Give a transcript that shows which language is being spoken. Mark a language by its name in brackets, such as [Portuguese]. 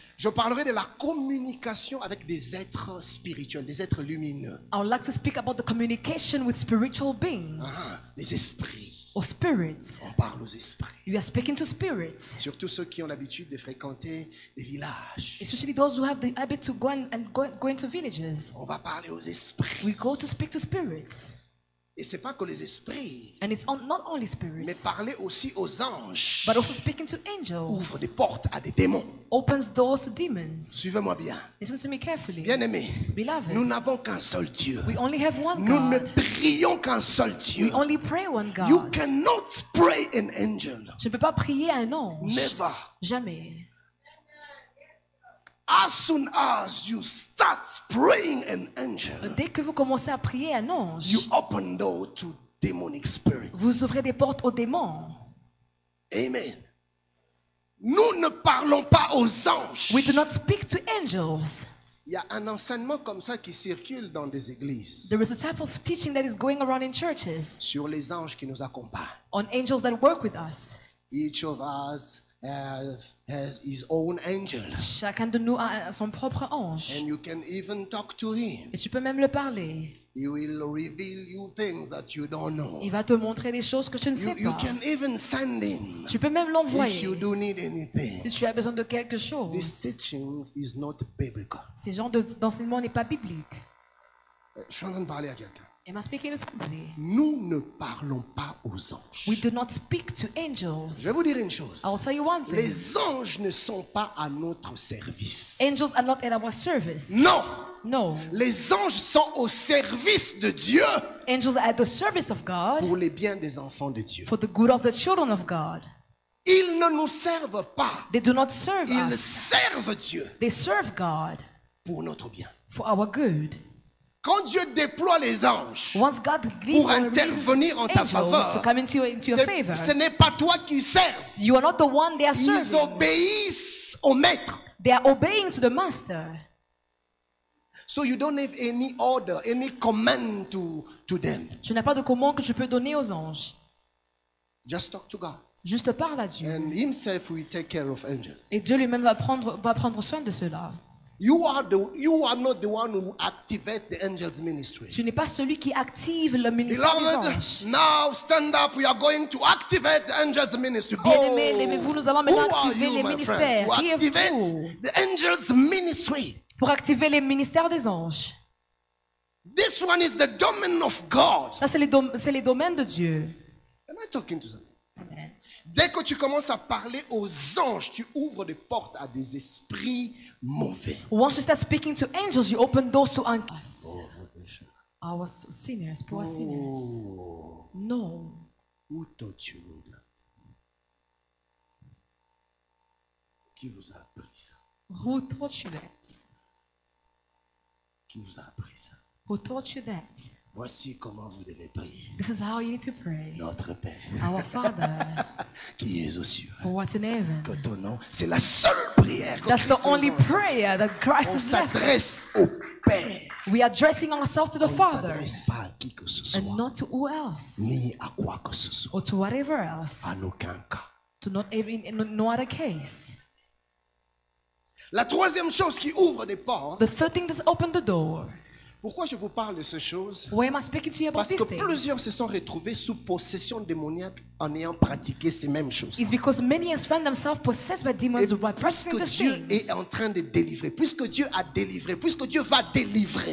[French] Je parlerai de la communication avec des êtres spirituels, des êtres lumineux. [English] I would like to speak about the communication with spiritual beings. [French] Des esprits. [English] Or spirits. [French] On parle aux esprits. [English] You are speaking to spirits. [French] Surtout ceux qui ont l'habitude de fréquenter des villages. [English] Especially those who have the habit to go and go into villages. [French] On va parler aux esprits. [English] We go to speak to spirits. [French] Et c'est pas que les esprits. [English] And it's not only spirits. [French] Mais parler aussi aux anges. [English] But also speaking to angels. [French] Ouvre des portes à des démons. [English] Opens doors to demons. [French] Suivez-moi bien. [English] Listen to me carefully. [French] Bien-aimé. [English] Beloved. [French] Nous n'avons qu'un seul Dieu. [English] We only have one [French] nous [English] God. [French] Nous ne prions qu'un seul Dieu. [English] We only pray one God. You cannot pray an angel. [French] Tu ne peux pas prier un ange. [English] Never. [French] Jamais. [English] As soon as you start praying an angel, [French] dès que vous commencez à prier un ange, [English] you open door to demonic spirits. [French] Vous ouvrez des portes aux démons. [English] Amen. [French] Nous ne parlons pas aux anges. [English] We do not speak to angels. [French] Il y a un enseignement comme ça qui circule dans des églises. [English] There is a type of teaching that is going around in churches. [French] Sur les anges qui nous accompagnent. [English] On angels that work with us. Each of us has his own angel. [French] Chacun de nous a son propre ange. [English] And you can even talk to him. [French] Et tu peux même le parler. [English] He will reveal you things that you don't know. [French] Il va te montrer des choses que tu ne sais pas. [English] You can even send him. [French] Tu peux même l'envoyer. [English] If you do need anything. [French] Si tu as besoin de quelque chose. [English] This teaching is not biblical. [French] Ce genre d'enseignement n'est pas biblique. Je suis en train de parler à quelqu'un. [English] Am I speaking to somebody? [French] Nous ne parlons pas aux anges. [English] We do not speak to angels. [French] Je vais vous dire une chose. [English] I'll tell you one thing. [French] Les anges ne sont pas à notre service. [English] Angels are not at our service. [French] Non. [English] No. [French] Les anges sont au service de Dieu. [English] Angels are at the service of God. [French] Pour les biens des enfants de Dieu. [English] For the good of the children of God. [French] Ils ne nous servent pas. [English] They do not serve [French] Ils Ils servent Dieu. [English] They serve God. [French] Pour notre bien. [English] For our good. [French] Quand Dieu déploie les anges [English] Once God [French] pour intervenir en ta faveur, ce n'est pas toi qui serves. [English] You are not the one they are serving. [French] Ils obéissent au maître. [English] They are obeying to the master. So you don't have any order, any command to them. [French] Tu n'as pas de commande que tu peux donner aux anges. [English] Just talk to God. [French] Juste parle à Dieu. [English] And himself will take care of angels. [French] Et Dieu lui-même va prendre soin de cela. [English] You are not the one who activates the angels' ministry. [French] Tu n'es pas celui qui active le ministère [English] Beloved, [French] des anges. [English] Now stand up. We are going to activate the angels' ministry. [French] Bien-aimé, vous nous allons maintenant activer [English] you, [French] les ministères. Qui êtes-vous? [English] The angels' ministry. [French] Pour activer les ministères des anges. [English] This one is the domain of God. [French] Ça c'est les domaines de Dieu. [English] Am I talking to someone? [French] Dès que tu commences à parler aux anges, tu ouvres des portes à des esprits mauvais. [English] Once you start speaking to angels, you open doors to us. [French] Pauvres pécheurs. [English] Our sinners, poor sinners. Oh. No. [French] Où t'as-tu là? Qui vous a appris ça? [English] Who taught you that? [French] Qui vous a appris ça? [English] Who taught you that? [French] Voici comment vous devez prier. [English] This is how you need to pray. [French] Notre Père. [English] Our Father. [French] Qui est aux cieux. [English] What in heaven. [French] Que ton nom. C'est la seule prière que [English] That's Christ the only prayer that Christ [French] On [English] has [French] s'adresse [English] left. [French] Au Père. [English] We are addressing ourselves to the Father. [French] S'adresse pas à qui que ce soit. [English] And not to who else. [French] Ni à quoi que ce soit. [English] Or to whatever else. [French] À aucun cas. [English] To not even in no other case. [French] La troisième chose qui ouvre des portes. [English] The third thing that opens the door. [French] Pourquoi je vous parle de ces choses? [English] Why am I speaking to you about these things? [French] Parce que plusieurs se sont retrouvés sous possession démoniaque en ayant pratiqué ces mêmes choses. [English] It's because many have found themselves possessed by demons by practicing these things. [French] Dieu est en train de délivrer, puisque Dieu a délivré, puisque Dieu va délivrer.